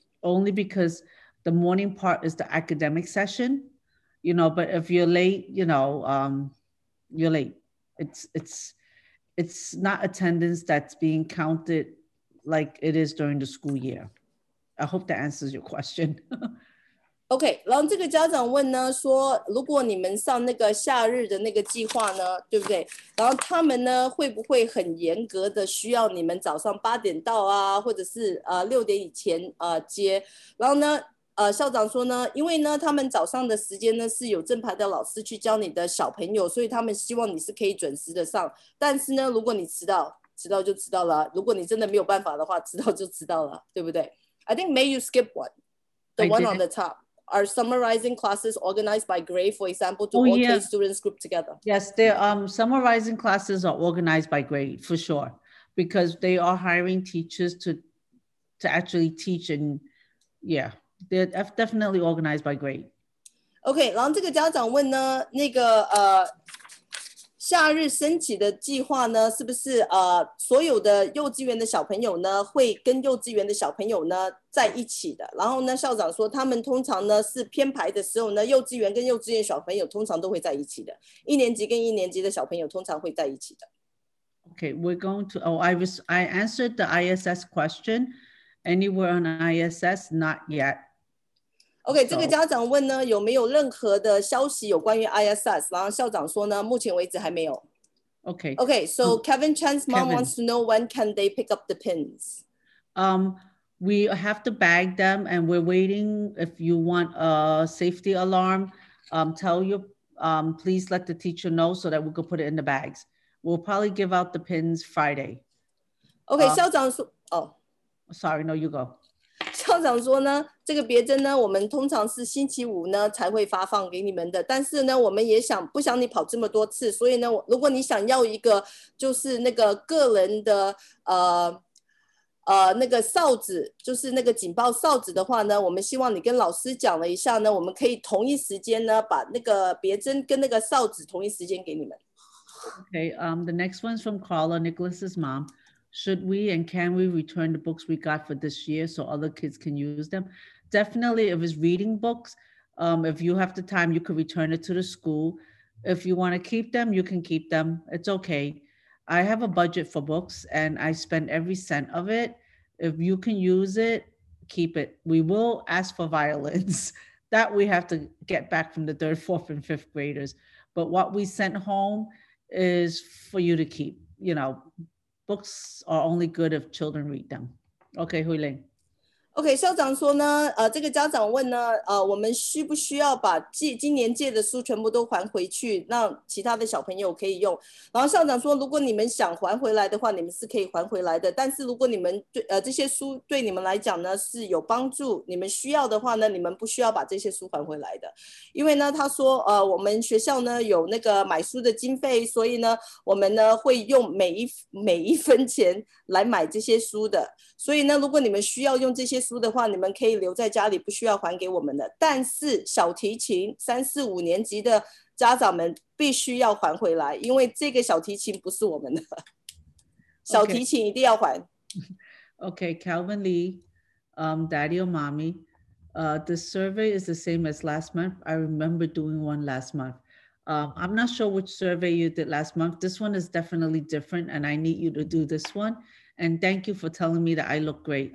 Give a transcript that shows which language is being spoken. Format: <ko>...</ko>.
<en>Only because the morning part is the academic session, you know, but if you're late, you know, you're late. It's not attendance that's being counted like it is during the school year. I hope that answers your question.</en> <zh>OK, 然后这个家长问呢说，如果你们上那个夏日的那个计划呢，对不对？然后他们呢会不会很严格的需要你们早上八点到啊，或者是六点以前接？然后呢校长说呢，因为呢他们早上的时间呢是有正牌的老师去教你的小朋友，所以他们希望你是可以准时的上，但是呢如果你迟到就迟到了，如果你真的没有办法的话，迟到就迟到了，对不对？</zh> <en>I think may you skip one, the one on the top. Are summarizing classes organized by grade, for example, to all K students group together? Yes, summarizing classes are organized by grade, for sure, because they are hiring teachers to actually teach. And yeah, they're definitely organized by grade.</en> <zh>Okay, 然后这个家长问呢，那个夏日升起的计划呢，是不是所有的幼稚园的小朋友呢，会跟幼稚园的小朋友呢在一起的？然后呢，校长说他们通常呢是编排的时候呢，幼稚园跟幼稚园小朋友通常都会在一起的，一年级跟一年级的小朋友通常会在一起的。</zh> <en>Okay, we're going to. I answered the ISS question. Anywhere on ISS? Not yet.</en> <zh>OK， 这个家长问呢，有没有任何的消息有关于 ISS？然后校长说呢，目前为止还没有。 OK，</zh> <en>OK， so Kevin Chan's mom wants to know when can they pick up the pins? We have to bag them and we're waiting. If you want a safety alarm, tell you, please let the teacher know so that we can put it in the bags. We'll probably give out the pins Friday.</en> <zh>OK， 校长说，哦</zh> <en>，Sorry, no, you go.</en> <zh>校长说呢，这个别针呢，我们通常是星期五呢才会发放给你们的。但是呢，我们也想不想你跑这么多次，所以呢，如果你想要一个就是那个个人的那个哨子，就是那个警报哨子的话呢，我们希望你跟老师讲了一下呢，我们可以同一时间呢把那个别针跟那个哨子同一时间给你们。</zh> <en>Okay, the next one's from Carla Nicholas's mom. Should we and can we return the books we got for this year so other kids can use them? Definitely, if it's reading books, if you have the time, you could return it to the school. If you want to keep them, you can keep them. It's okay. I have a budget for books and I spend every cent of it. If you can use it, keep it. We will ask for violins. That we have to get back from the third, fourth, and fifth graders. But what we sent home is for you to keep, you know,Books are only good if children read them. Okay, Hui Ling.</en> <zh>Okay, 校长说呢，这个家长问呢，我们需不需要把今年借的书全部都还回去，让其他的小朋友可以用？然后校长说，如果你们想还回来的话，你们是可以还回来的。但是如果你们对这些书对你们来讲呢是有帮助，你们需要的话呢，你们不需要把这些书还回来的。因为呢，他说，我们学校呢有那个买书的经费，所以呢，我们呢会用每一分钱来买这些书的。所以呢，如果你们需要用这些书的话，你们可以留在家里，不需要还给我们的。但是小提琴三四五年级的家长们必须要还回来，因为这个小提琴不是我们的，小提琴一定要还。</zh> <en>Okay, Calvin Lee, Daddy or Mommy, the survey is the same as last month. I remember doing one last month. I'm not sure which survey you did last month. This one is definitely different, and I need you to do this one. And thank you for telling me that I look great.</en>